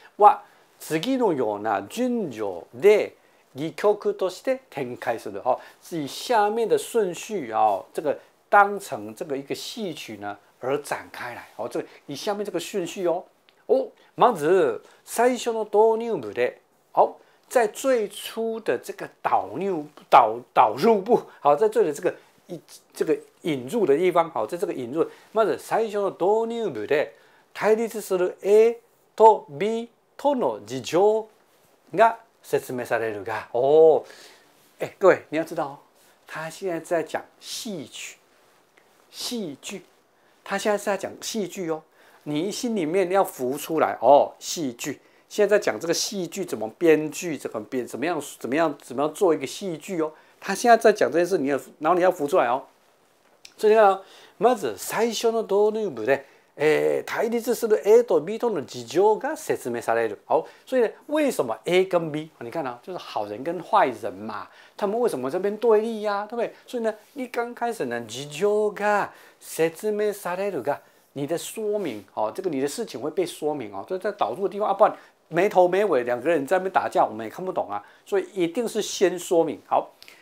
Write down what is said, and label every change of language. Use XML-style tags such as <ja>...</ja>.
<ja>は次のような順序で擬曲として展開する。</ja> <zh>哦，以下面的顺序哦，这个当成这个一个戏曲呢而展开来。哦，这个以下面这个顺序哦。</zh> <ja>哦，まず最初の導入部で。哦。</ja> <zh>在最初的这个导入部，好，在这里这个引入的地方，好，在这个引入，</zh> <ja>まず最初の導入部で対立する A と B との事情が説明されるが，</ja> <zh>哦，哎，各位你要知道，他现在在讲戏剧，他现在是在讲戏剧哦，你心里面要浮出来哦，戏剧。现在在讲这个戏剧怎么编剧，怎么样做一个戏剧哦。他现在在讲这件事，然后你要浮出来哦。所以呢，</zh> <ja>まず最初の導入部で、対立する A と B との事情が説明される。</ja> <zh>好，所以呢为什么 A 跟 B？ 你看啊，就是好人跟坏人嘛，他们为什么这边对立呀、啊，对不对？所以呢，你刚开始呢，</zh> <ja>事情が説明されるが，</ja> <zh>你的说明，好、哦，这个你的事情会被说明哦，就在导入的地方啊，不然。没头没尾，两个人在那边打架，我们也看不懂啊。所以一定是先说明好。</zh>